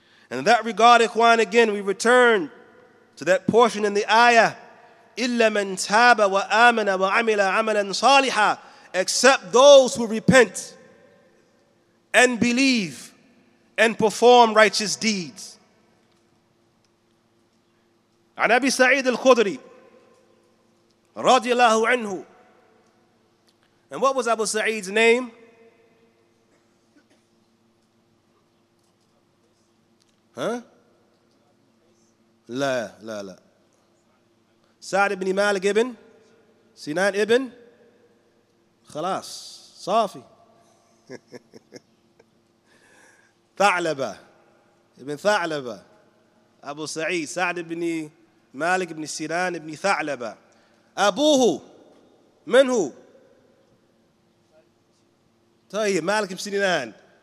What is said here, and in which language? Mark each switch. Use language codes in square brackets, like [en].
[en] And in that regard, Ikhwan, again, we return to that portion in the ayah, [ar] إِلَّا مَنْ تَابَ وَآمَنَ وَعَمِلَ عَمَلًا صَالِحًا. [en] Except those who repent and believe and perform righteous deeds. [ar] عن أبي سعيد الخدري رضي الله عنه. [en] And what was Abu Sa'id's name? Huh? La. Sa'd ibn Malik ibn Sinan ibn Khalas Safi Tha'laba ibn Tha'laba Abu Sa'id Sa'd ibn Malik ibn Sinan ibn Tha'laba Abuhu Minhu Tell you Malik ibn Sinan.